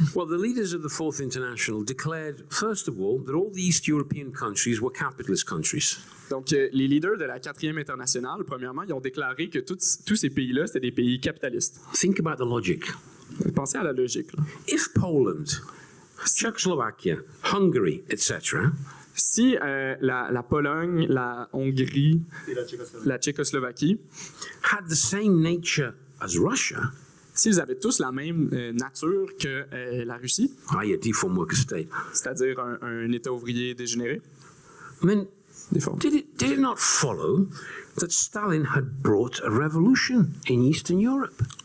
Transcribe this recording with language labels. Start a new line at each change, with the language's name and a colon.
English: Well, the leaders of the Fourth International declared, first of all, that all the East European countries were capitalist countries.
French: Donc, les leaders de la quatrième internationale, premièrement, ils ont déclaré que tous ces pays-là, c'était des pays capitalistes.
English: Think about the logic.
French: Pensez à la logique. Là.
English: If Poland, Czechoslovakia, Hungary, etc.
French: Si la Pologne, la Hongrie, la Tchécoslovaquie,
English: had the same nature as Russia,
French: s'ils avaient tous la même nature que la Russie,
English: a deformed worker state,
French: c'est-à-dire un État ouvrier dégénéré,
English: then did it not follow that Stalin had brought a revolution in Eastern Europe?